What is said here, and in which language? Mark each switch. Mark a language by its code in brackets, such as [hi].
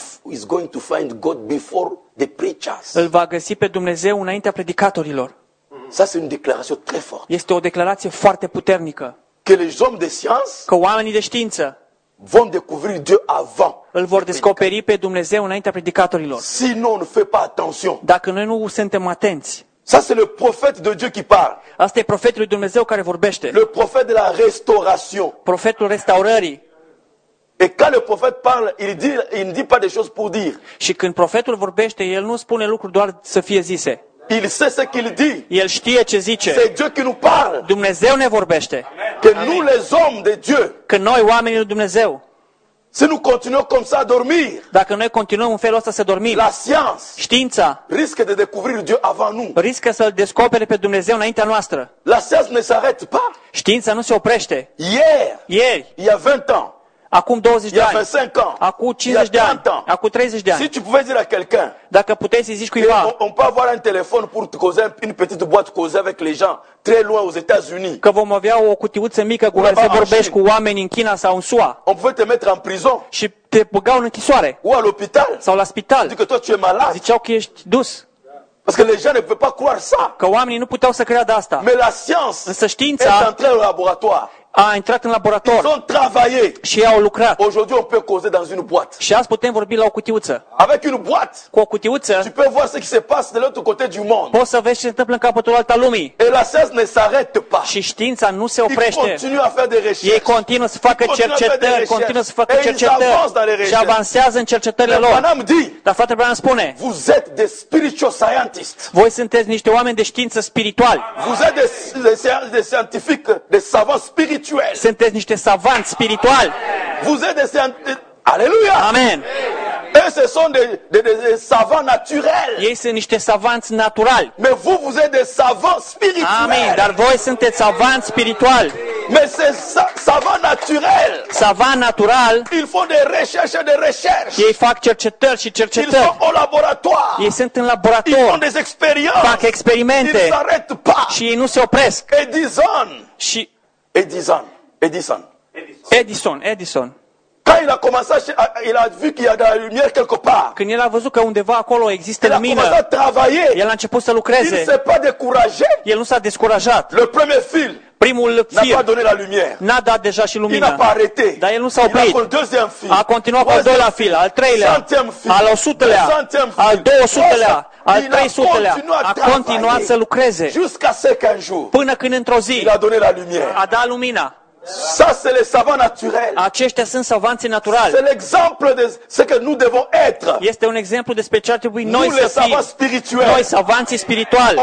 [en] Is going to find God before the preachers. [ro] Îl va găsi pe Dumnezeu înaintea predicatorilor. [fr] Ça c'est une déclaration très forte. [ro] Este o declarație foarte puternică. [fr] Que les hommes de science. [ro] Că oamenii de știință. [fr] Vont découvrir Dieu avant. [ro] Îl vor descoperi pe Dumnezeu înaintea predicatorilor. [fr] Sinon, ne fait pas attention. [ro] Dacă noi nu suntem atenți. [fr] Ça c'est le prophète de Dieu qui parle. [ro] Asta e profetul lui Dumnezeu care vorbește. [fr] Le prophète de la restauration. [ro] Profetul restaurării. [fr] Et quand le prophète parle, il ne dit pas des choses pour dire. [ro] Și când profetul vorbește, el nu spune lucruri doar să fie zise. [fr] Il sait ce qu'il dit. [ro] El știe ce zice. [fr] C'est Dieu qui nous parle. [ro] Dumnezeu ne vorbește. [fr] Que nous les hommes de Dieu. [ro] Că noi oamenii lui Dumnezeu. [fr] Si nous continuons comme ça à dormir. [ro] Dacă noi continuăm în felul ăsta să dormim. [fr] La science. [ro] Știința. [fr] Risque de découvrir Dieu avant nous. [ro] Riscă să-l descopere pe Dumnezeu înaintea noastră. [fr] La science ne s'arrête pas. [ro] Știința nu se oprește. [fr] Ieri. Il y a 20 ans. [ro] Acum 20 de ani. Acum 50 de ani. Acum 30 de ani. [fr] Si tu pouvais dire à quelqu'un. [ro] Dacă puteai să-i zici cuiva. [fr] On peut avoir un téléphone pour causer une petite boîte causer avec les gens très loin aux États-Unis. [ro] Că vom avea o cutiuță mică cu care să vorbești cu oameni în China sau în SUA. [fr] On pouvait te mettre en prison. [ro] Și te băgau în închisoare. [fr] Ou à l'hôpital. [ro] Sau la spital. Zic că tot ce e malat. Ziceau că ești dus. [fr] Parce que les gens ne peuvent pas croire ça. [ro] Că oamenii nu puteau să creadă asta. [fr] Mais la science. [ro] Însă știința. [fr] Est entrée au laboratoire. [ro] A intrat în laborator. [fr] Ils ont travaillé. [ro] Și ei au lucrat. [fr] Aujourd'hui on peut causer dans une boîte. [ro] Și azi putem vorbi la o cutiuță. [fr] Avec une boîte. [ro] Cu o cutiuță. [fr] Tu peux voir ce qui se passe de l'autre côté du monde. [ro] Poți să vezi ce se întâmplă în capătul altă lumii. [fr] Et la science ne s'arrête pas. [ro] Și știința nu se oprește. [fr] Ils continuent à faire des recherches. [ro] Ei continuă să facă cercetări, continuă să facă cercetări. Și avansează în cercetările lor. Dar frate Branham spune. [fr] Vous êtes des [en] spiritual scientists. [ro] Voi sunteți niște oameni de știință spirituali. [fr] Vous êtes des scientifiques, des savants spirituels. [ro] Sunteți niște savanți spirituali. [fr] Vous êtes des Alléluia. Amen. Et ce sont des savants naturels. [ro] Ei sunt niște savanți naturali. [fr] Mais vous êtes des savants spirituels. Amen. [ro] Dar voi sunteți savanți spirituali. [fr] Mais c'est savant naturel. [ro] Savant natural. [fr] Ils font des recherches et des recherches. [ro] Ei fac cercetări și cercetări. [fr] Ils sont au laboratoire. [ro] Ei sunt în laborator. [fr] Ils font des expériences. [ro] Fac experimente. [fr] Ils s'arrêtent pas. [ro] Și ei nu se opresc. Edison. Și Edison. Edison. Edison. Edison. [fr] Quand il a commencé, il a vu qu'il y a de la lumière quelque part. [ro] Când el a văzut că undeva acolo există lumină. [fr] Il a commencé à travailler. [ro] El a început să lucreze. [fr] Il s'est pas découragé. [ro] El nu s-a descurajat. [fr] Le premier fil. [ro] Primul fil. [fr] N-a pas donné la lumière. [ro] N-a dat deja și lumina. [fr] Il n'a pas arrêté. [ro] Dar el nu s-a oprit. [fr] Il a continué au deuxième fil. [ro] A continuat cu al doilea fil, al treilea. [fr] Centième fil. [ro] Al 100-lea. [fr] Centième fil. [ro] Al 200-lea. Al 300-lea. A continuat să lucreze. [fr] Jusqu'à ce qu'un jour. [ro] Până când într-o zi. [fr] Il a donné la lumière. [ro] A dat lumina. [fr] Ça c'est les savants naturels. [ro] Aceștia sunt savanții naturali. [fr] C'est l'exemple de ce que nous devons être. [ro] Este un exemplu despre ce ar trebui noi să fim. Noi savanți spirituali. Noi savanții spirituali.